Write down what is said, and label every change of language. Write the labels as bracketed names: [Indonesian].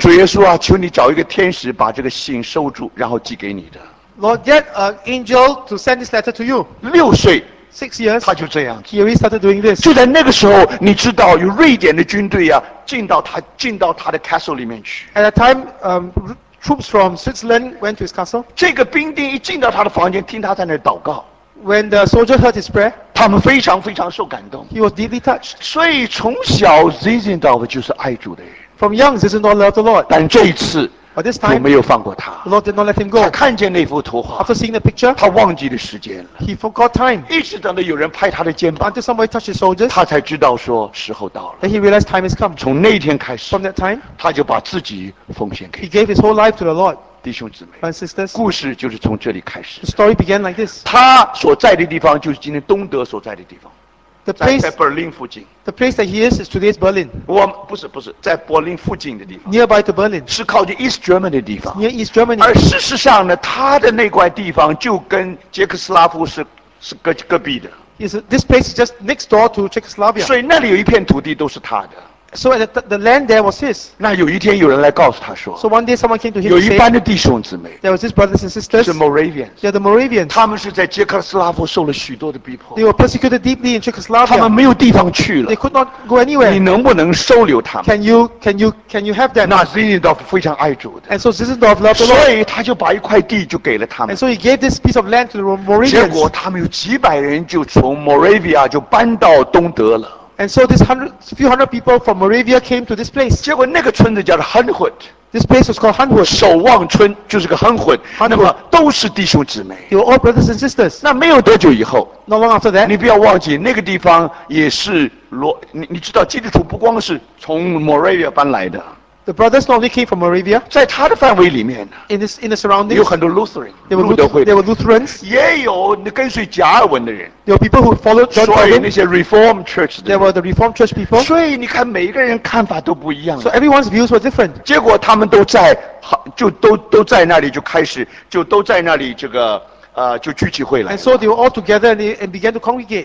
[Chinese] 主耶稣啊，求你找一个天使把这个信收住，然后寄给你的。 [English] Lord, get an angel to send this letter to you. [Chinese] 六岁。 [English] Six years, [Chinese] 他就这样。 [English] He already started doing this. [Chinese] 就在那个时候，你知道有瑞典的军队呀、啊，进到他的 castle 里面去。 [English] At that time, troops from Switzerland went to his castle. [Chinese] 这个兵丁一进到他的房间，听他在那祷告。 [English] When the soldier heard his prayer, [Chinese] 他们非常非常受感动。 [English] He was deeply touched. [Chinese] 所以从小 Zinzendorf 就是爱主的人。 [English] From young, Zinzendorf loved the Lord. [Chinese] 但这一次。 [English] But this time, [Chinese] 就没有放过他。 [English] The Lord did not let him go. [Chinese] 他看见那幅图画。 [English] After seeing the picture, [Chinese] 他忘记了时间了。 [English] He forgot time. [Chinese] 一直等到有人拍他的肩膀。 [English] Until somebody touched his shoulders, [Chinese] 他才知道说时候到了。 [English] Then he realized time has come. [Chinese] 从那天开始。 [English] From that time, [Chinese] 他就把自己奉献给。 [English] He gave his whole life to the Lord. [Chinese] 弟兄姊妹。 [English] And sisters. [Chinese] 故事就是从这里开始。 [English] The story began like this. [Chinese] 他所在的地方就是今天东德所在的地方。 [English] The place, [Chinese] 在 Berlin 附近。 [English] The place that he is today's Berlin. [Chinese] 我不是不是在柏林附近的地方。 [English] Nearby to Berlin. [Chinese] 是靠近 East Germany 的地方。 [English] Near East Germany. [Chinese] 而事实上呢，他的那块地方就跟捷克斯拉夫是隔壁的。 [English] This place is just next door to Czechoslovakia. [Chinese] 所以那里有一片土地都是他的。 [English] So the land there was his. [Chinese] 那有一天有人来告诉他说。 [English] So one day someone came to him. [Chinese] 有一班的弟兄姊妹。 [English] There was his brothers and sisters. [Chinese] 是 Moravians. [English] They're the Moravians. [Chinese] 他们是在捷克斯拉夫受了许多的逼迫。 [English] They were persecuted deeply in Czechoslovakia. [Chinese] 他们没有地方去了。 [English] They could not go anywhere. [Chinese] 你能不能收留他们？ [English] Can you have them? [Chinese] 那 Zinzendorf 非常爱主的。 [English] And so Zinzendorf loved the Lord. [Chinese] 所以他就把一块地就给了他们。 [English] And so he gave this piece of land to the Moravians. [Chinese] 结果他们有几百人就从 Moravia 就搬到东德了。 [English] And so this few hundred people from Moravia came to this place. [Chinese] 结果那个村子叫做 Hunhut。 [English] This place was called Hunhut。 [Chinese] 守望村就是个 Hunhut。那么都是弟兄姊妹。 [English] They were all brothers and sisters。 [Chinese] 那没有多久以后。 [English] Not long after that。 [Chinese] 你不要忘记，那个地方也是你知道基督徒不光是从 Moravia 搬来的。 [English] The brothers not only came from Moravia。 [Chinese] 在他的范围里面。 [English] In the surroundings。 [Chinese] 有很多 Lutheran。 [English] They were Lutherans。 [Chinese] 也有跟随加尔文的人。 [English] There were people who followed John Calvin。 [Chinese] 所以那些 Reform Church 的人。 [English] There were the Reform Church people。 [Chinese] 所以你看每一个人看法都不一样。 [English] So everyone's views were different。 [Chinese] 结果他们都在那里就开始就都在那里这个。就聚集会了。 [English] And so they were all together and began to congregate.